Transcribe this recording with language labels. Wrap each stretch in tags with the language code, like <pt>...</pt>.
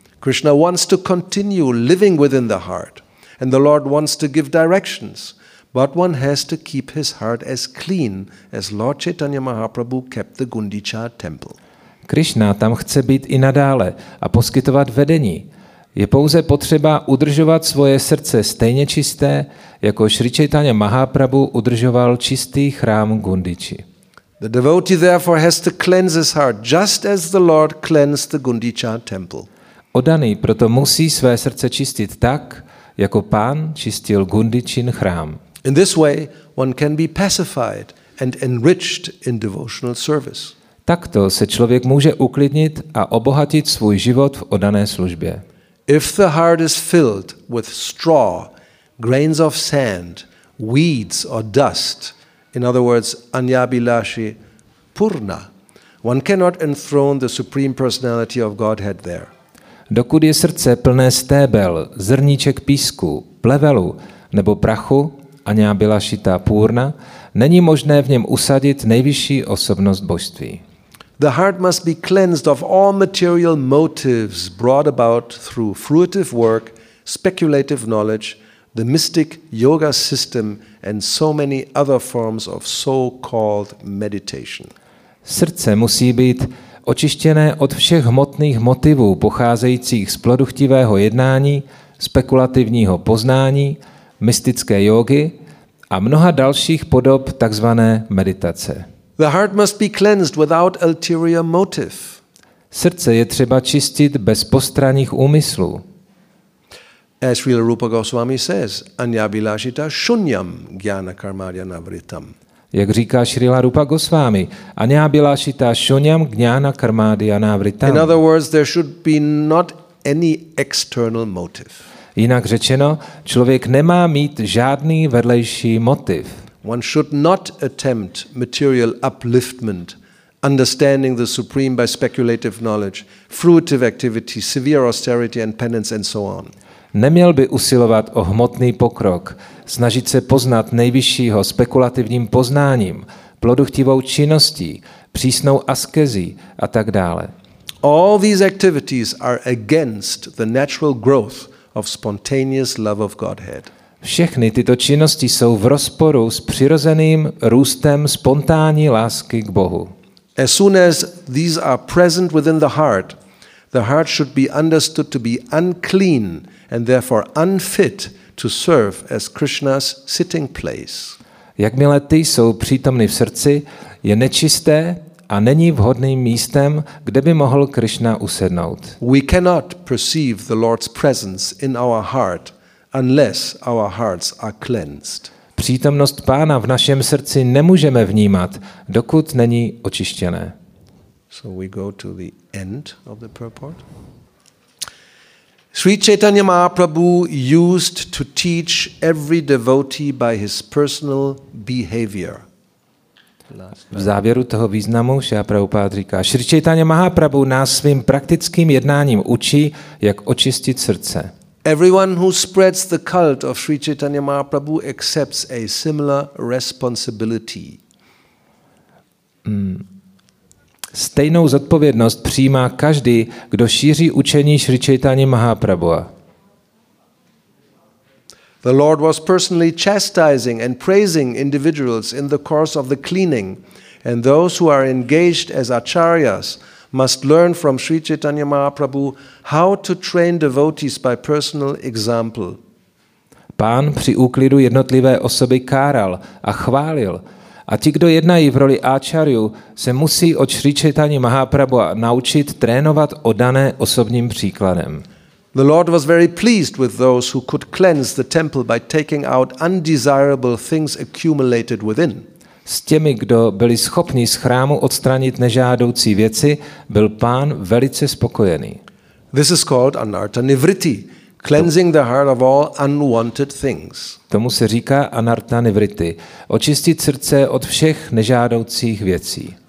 <en>Krishna wants to continue living within the heart and the Lord wants to give directions, but one has to keep his heart as clean as Lord Chaitanya Mahaprabhu kept the Gundicha temple.</en> <cs>Krishna tam chce být i nadále a poskytovat vedení. Je pouze potřeba udržovat svoje srdce stejně čisté, jako Sri Chaitanya Mahaprabhu udržoval čistý chrám Gundichi.</cs> <en>The devotee therefore has to cleanse his heart just as the Lord cleansed the Gundicha temple.</en> <cs>Oddaný proto musí své srdce čistit tak, jako pán čistil Gundichin chrám.</cs> <en>In this way one can be pacified and enriched in devotional service.</en> <cs>Takto se člověk může uklidnit a obohatit svůj život v oddané službě.</cs> <en>If the heart is filled with straw, grains of sand, weeds or dust, in other words,</en> <sa>anyabilashi purna,</sa> <en>one cannot enthrone the Supreme Personality of Godhead there.</en> <cs>Dokud je srdce plné stébel, zrníček písku, plevelu nebo prachu,</cs> <sa>anyabilashi ta purna,</sa> <cs>není možné v něm usadit nejvyšší osobnost božství.</cs> <en>The heart must be cleansed of all material motives brought about through fruitive work, speculative knowledge, the mystic yoga system and so many other forms of so-called meditation.</en> <cs>Srdce musí být očištěné od všech hmotných motivů pocházejících z plodochtivého jednání, spekulativního poznání, mystické jógy a mnoha dalších podob takzvané meditace.</cs> <en>The heart must be cleansed without ulterior motive.</en> <cs>Srdce je třeba čistit bez postranních úmyslů.</cs> <en>As Srila Rupa Goswami says,</en> <sa>anyabilashita shunyam jnana karmadhyana vritam.</sa> <cs>Jak říká Srila Rupa Goswami,</cs> <sa>anyabilashita shunyam jnana karmadhyana vritam.</sa> <en>In other words, there should be not any external motive.</en> <cs>Jinak řečeno, člověk nemá mít žádný vedlejší motiv.</cs> <en>One should not attempt material upliftment, understanding the supreme by speculative knowledge, fruitive activity, severe austerity and penance and so on.</en> <cs>Neměl by usilovat o hmotný pokrok, snažit se poznat nejvyššího spekulativním poznáním, plodochtivou činností, přísnou askezí a tak dále.</cs> <en>All these activities are against the natural growth of spontaneous love of Godhead.</en> <cs>Všechny tyto činnosti jsou v rozporu s přirozeným růstem spontánní lásky k Bohu.</cs> <en>As soon as these are present within the heart should be understood to be unclean and therefore unfit to serve as Krishna's sitting place.</en> <cs>Jakmile ty jsou přítomny v srdci, je nečisté a není vhodným místem, kde by mohl Krishna usednout.</cs> <en>We cannot perceive the Lord's presence in our heart unless our hearts are cleansed.</en> <cs>Přítomnost Pána v našem srdci nemůžeme vnímat, dokud není očištěné.</cs> <en>So we go to the end of the purport. Sri Chaitanya Mahaprabhu used to teach every devotee by his personal behavior.</en> <cs>V závěru toho významu Šrila Prabhupáda říká, Sri Chaitanya Mahaprabhu nás svým praktickým jednáním učí, jak očistit srdce.</cs> <en>Everyone who spreads the cult of Sri Chaitanya Mahaprabhu accepts a similar responsibility.</en> <cs>Stejnou zodpovědnost přijímá každý, kdo šíří učení Sri Chaitanya Mahaprabhua.</cs> <en>The Lord was personally chastising and praising individuals in the course of the cleaning, and those who are engaged as acharyas must learn from Sri Chaitanya Mahaprabhu how to train devotees by personal example.</en> <cs>Pán při úklidu jednotlivé osoby káral a chválil. A ti, kdo jednají v roli áčarju, se musí od Sri Chaitanya Mahaprabhu naučit trénovat oddané osobním příkladem.</cs> <en>The Lord was very pleased with those who could cleanse the temple by taking out undesirable things accumulated within.</en> <cs>S těmi, kdo byli schopni z chrámu odstranit nežádoucí věci, byl pán velice spokojený.</cs> <en>This is called anartha nivritti, Cleansing the heart of all unwanted things.</en> <cs>Tomu se říká anartha nivritti, očistit srdce od všech nežádoucích věcí.</cs>